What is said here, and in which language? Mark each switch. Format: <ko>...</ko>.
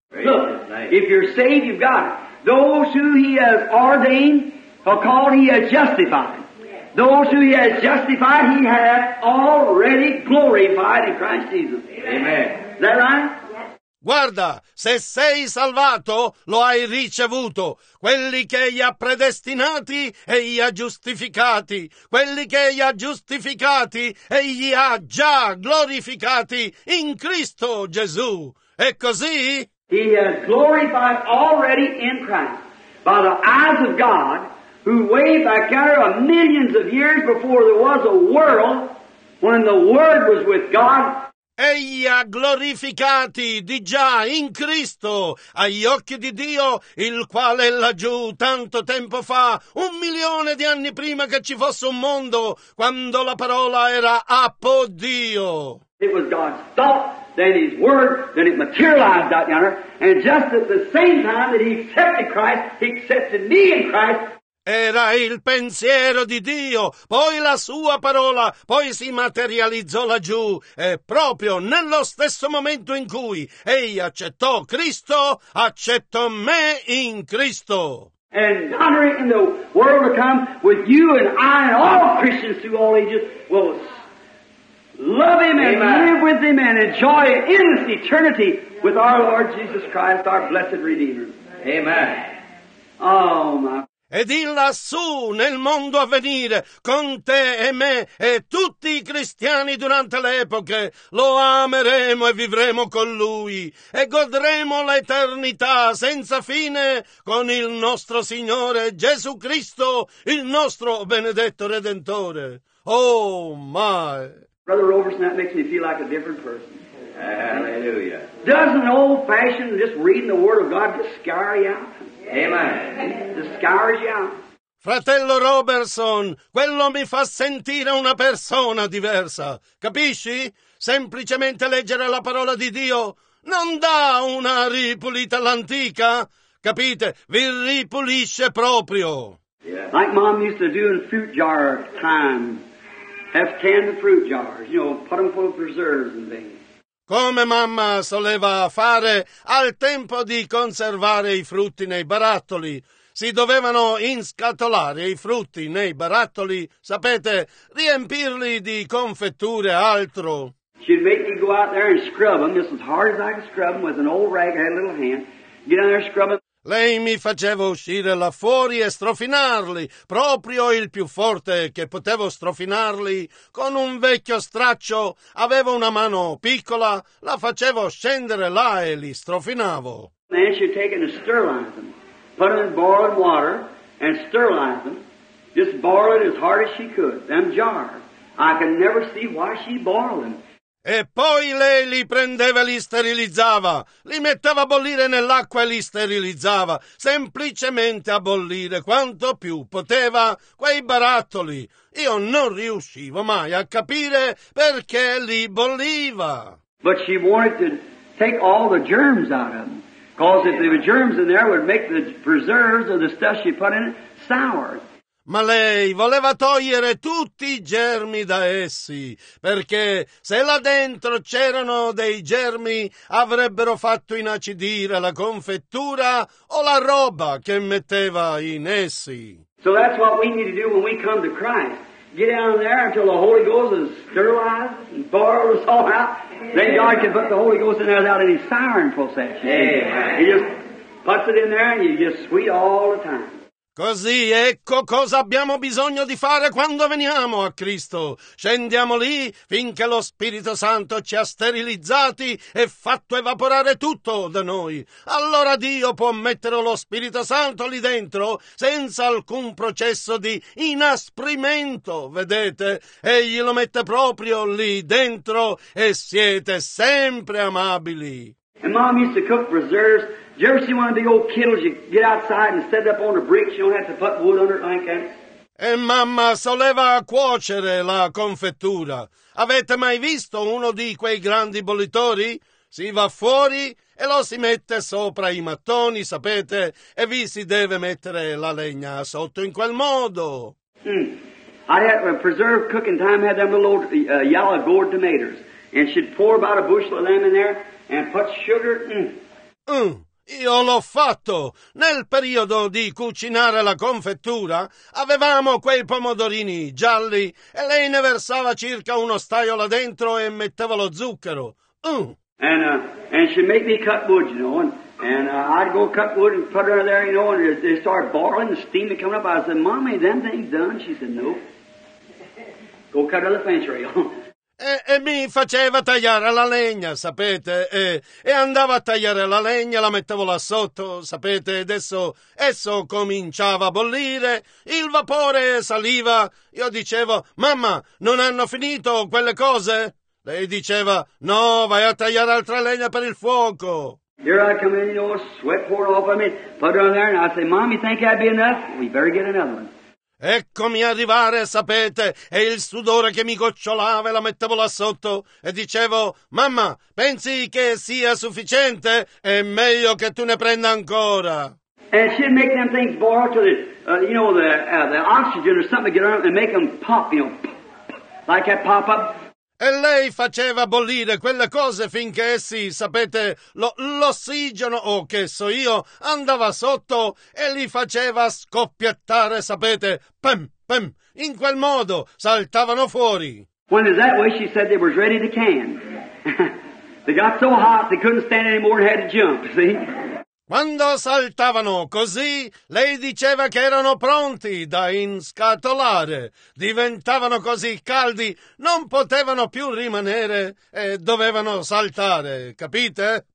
<en>Look, if you're saved, you've got it. Those who he has ordained or called, he has justified. Those who he has justified, he has already glorified in Christ Jesus. Amen. Is that right?</en> <it>Guarda, se sei salvato, lo hai ricevuto. Quelli che egli ha predestinati, egli ha giustificati. Quelli che egli ha giustificati, egli ha già glorificati in Cristo Gesù. È così?</it> <en>He has glorified already in Christ by the eyes of God, who way back there of millions of years before there was a world, when the Word was with God.</en> <it>Egli ha glorificati di già in Cristo, agli occhi di Dio, il quale è laggiù tanto tempo fa, 1 milione di anni prima che ci fosse un mondo, quando la parola era Apo Dio.</it> <en>It was God's thought, then His Word, then it materialized out yonder, and just at the same time that He accepted Christ, He accepted me in Christ.</en> <it>Era il pensiero di Dio, poi la sua parola, poi si materializzò laggiù. E proprio nello stesso momento in cui egli accettò Cristo, accettò me in Cristo.</it> <en>And honor in the world to come with you and I and all Christians through all ages will love him and live with him and enjoy endless eternity with our Lord Jesus Christ, our blessed Redeemer. Amen. Oh my.</en> <it>Ed in lassù, nel mondo a venire, con te e me e tutti i cristiani durante le epoche, lo ameremo e vivremo con lui e godremo l'eternità senza fine con il nostro Signore Gesù Cristo, il nostro benedetto Redentore.</it> <en>Oh, my! Brother Roberson, that makes me feel like a different person. Hallelujah. Doesn't old-fashioned just reading the Word of God just scour you out? Amen.</en> <it>Fratello Robertson, quello mi fa sentire una persona diversa. Capisci? Semplicemente leggere la parola di Dio non dà una ripulita all'antica. Capite? Vi ripulisce proprio.</it> <en>Yeah. Like mom used to do in fruit jar time. Have canned fruit jars, you know, put them full of preserves and things.</en> <it>Come mamma soleva fare al tempo di conservare i frutti nei barattoli. Si dovevano inscatolare i frutti nei barattoli, sapete, riempirli di confetture e altro.</it> <en>She'd make me go out there and scrub them, just as hard as I could scrub them with an old rag I had a little hand. Get out there and scrub them.</en> <it>Lei mi faceva uscire là fuori e strofinarli, proprio il più forte che potevo strofinarli, con un vecchio straccio, avevo una mano piccola, la facevo scendere là e li strofinavo.</it> <en>Then she'd take and sterilize them, put them in boiling water and sterilize them, just boil it as hard as she could, them jars. I can never see why she boiled them.</en> <it>E poi lei li prendeva e li sterilizzava, li metteva a bollire nell'acqua e li sterilizzava, semplicemente a bollire quanto più poteva quei barattoli. Io non riuscivo mai a capire perché li bolliva.</it> <en>But she wanted to take all the germs out of them, because if there were germs in there, it would make the preserves or the stuff she put in it sour.</en> <it>Ma lei voleva togliere tutti i germi da essi, perché se là dentro c'erano dei germi, avrebbero fatto inacidire la confettura o la roba che metteva in essi.</it> <en>So that's what we need to do when we come to Christ. Get down there until the Holy Ghost is sterilized and boiled us all out. Then God can put the Holy Ghost in there without any souring process. Yeah. He just puts it in there and you just sweet all the time.</en> <it>Così, ecco cosa abbiamo bisogno di fare quando veniamo a Cristo. Scendiamo lì finché lo Spirito Santo ci ha sterilizzati e fatto evaporare tutto da noi. Allora Dio può mettere lo Spirito Santo lì dentro senza alcun processo di inasprimento, vedete? Egli lo mette proprio lì dentro e siete sempre amabili.</it> <en>And Mom used to cook preserves. Did you ever see one of the old kettles you get outside and set it up on the bricks? You don't have to put wood under it like that.</en> <it>E mamma soleva cuocere la confettura. Avete mai visto uno di quei grandi bollitori? Si va fuori e lo si mette sopra i mattoni, sapete? E vi si deve mettere la legna sotto in quel modo.</it> <en>I had a preserve cooking time. Had them little yellow gourd tomatoes, and she'd pour about a bushel of them in there. And put sugar in.</en> <it>Io l'ho fatto. Nel periodo di cucinare la confettura, avevamo quei pomodorini gialli e lei ne versava circa uno staio là dentro e metteva lo zucchero.</it> <en>And she made me cut wood, you know, and I'd go cut wood and put it under there, you know, and they start boiling, the steam coming up. I said, Mommy, them things done? She said, nope. Go cut the fence rail.</en> <it>E mi faceva tagliare la legna, sapete? E andavo a tagliare la legna, la mettevo là sotto, sapete? E adesso esso cominciava a bollire, il vapore saliva. Io dicevo, mamma, non hanno finito quelle cose? Lei diceva, no, vai a tagliare altra legna per il fuoco.</it> <en>Here I come in, you know, sweat poured off of me, put it on there, and I say, Mommy, think that'd be enough? We better get another one.</en> <it>Eccomi arrivare, sapete, e il sudore che mi gocciolava e la mettevo là sotto e dicevo, mamma, pensi che sia sufficiente? È meglio che tu ne prenda ancora.</it> <en>And she'd make them things boil till the, you know, the oxygen or something get on and make them pop, you know, like that pop up.</en> <it>E lei faceva bollire quelle cose finché essi, sapete, l'ossigeno, o che so io, andava sotto e li faceva scoppiettare, sapete, pam, pam, in quel modo, saltavano fuori.</it> <en>When is that way, she said they was ready to can. They got so hot they couldn't stand anymore and had to jump, see?</en> <it>Quando saltavano così, lei diceva che erano pronti da inscatolare. Diventavano così caldi, non potevano più rimanere e dovevano saltare, capite?</it>